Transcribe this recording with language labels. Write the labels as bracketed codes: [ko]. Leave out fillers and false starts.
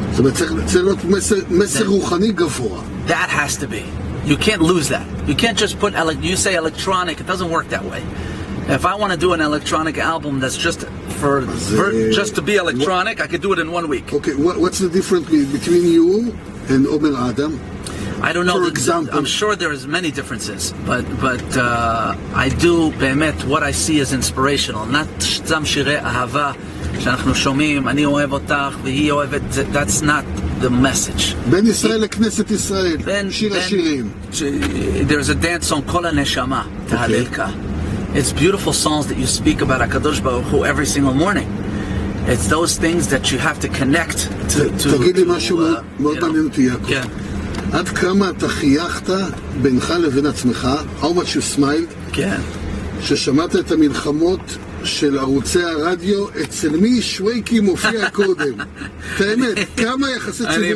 [he] זאת אומרת, צריך להיות מסר רוחני גבוה. [en] That has to be. You can't lose that. You can't just put, you say electronic, it doesn't work that way. If I want to do an electronic album that's just for just to be electronic, I could do it in 1 week. Okay, what's the difference between you and Omer Adam? I don't know. For example, I'm sure there is many differences, but I do [he] באמת [en] what I see as inspirational. Not some [he] shirei ahava שאנחנו שומעים, אני אוהב אותך והיא אוהבת, [en] that's not the message. [he] בין ישראל לכנסת ישראל, שיר השירים. [en] There's a dance on Kol HaNeshama, Tehalelka. It's beautiful songs that you speak about HaKadosh Baruch Hu every single morning. It's those things that you have to connect to [he] תגיד לי משהו מאוד מעניין אותי, יעקב. עד כמה אתה חייכת בינך לבין עצמך, [en] how much you smiled, [he] ששמעת את המלחמות של ערוצי הרדיו, אצל מי שווייקי מופיע קודם? האמת, כמה יחסי ציבור זה עשה לך?